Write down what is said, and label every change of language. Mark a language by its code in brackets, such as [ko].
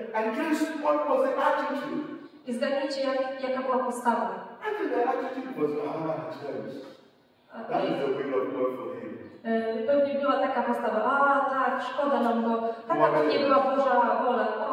[en] And James, what was the attitude? [pl] I zgadnijcie, jaka była postawa. [en] I think the attitude was, James. That is the will of God for him. [pl] Pewnie była taka postawa, tak, szkoda nam go. Taka to nie była Boża wola.